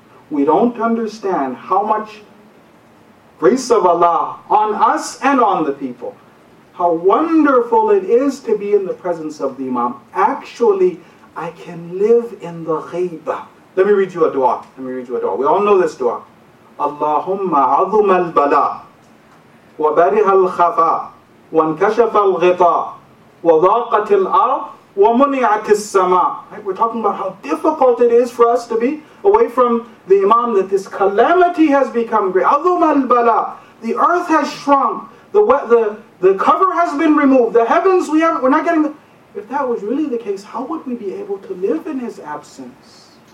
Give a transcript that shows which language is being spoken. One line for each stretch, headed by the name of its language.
English: We don't understand how much grace of Allah on us and on the people, how wonderful it is to be in the presence of the Imam. Actually, I can live in the ghaiba. Let me read you a dua. We all know this dua.
Arabic: اللهم عظم البلاء وبره الخفاء وانكشف الغطاء وضاقت الأرض ومنعت السماء
English: Right? We're talking about how difficult it is for us to be away from the Imam, that this calamity has become great.
Arabic: عظم البلاء
English: The earth has shrunk. The cover has been removed. The heavens, we're not getting... If that was really the case, how would we be able to live in his absence?